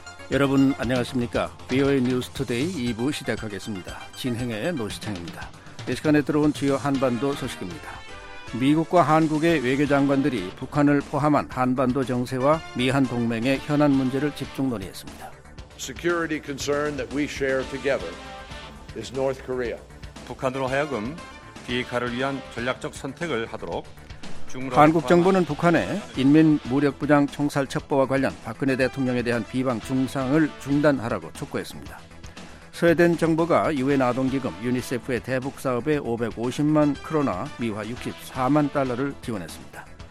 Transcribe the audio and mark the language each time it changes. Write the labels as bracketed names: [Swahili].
[Korean] 여러분 안녕하십니까? VOA News Today 2부 시작하겠습니다. 진행의 노시창입니다. 이 시간에 들어온 주요 한반도 소식입니다. 미국과 한국의 외교장관들이 북한을 포함한 한반도 정세와 미한 동맹의 현안 문제를 집중 논의했습니다. [English] Security concern that we share together is North Korea. [Korean] 북한으로 하여금 비핵화를 위한 전략적 선택을 하도록 한국 정부는 북한의 인민무력부장 총살 첩보와 관련 박근혜 대통령에 대한 비방 중상을 중단하라고 촉구했습니다. 스웨덴 정부가 유엔 아동기금 유니세프의 대북 사업에 550만 크로나 미화 64만 달러를 지원했습니다.